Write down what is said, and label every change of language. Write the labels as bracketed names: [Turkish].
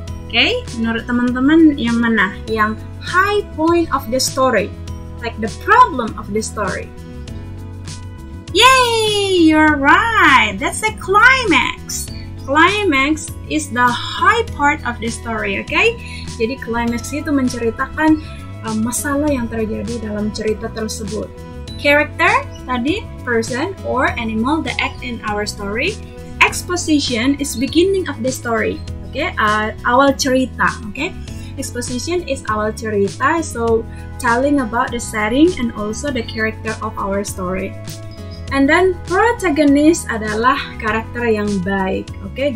[Indonesian] Okay, menurut teman-teman yang mana? Yang [English] high point of the story, like the problem of the story. Yay, you're right. That's a climax. climax is the high part of the story, okay? [Indonesian] Jadi climax itu menceritakan masalah yang terjadi dalam cerita tersebut. [English] Character, [Indonesian] tadi [English] person or animal that act in our story. Exposition is beginning of the story, okay? [Indonesian] Awal cerita, [English] okay? Exposition is [Indonesian] awal cerita, [English] so telling about the setting and also the character of our story. And then [Indonesian] protagonist adalah karakter yang baik, okay?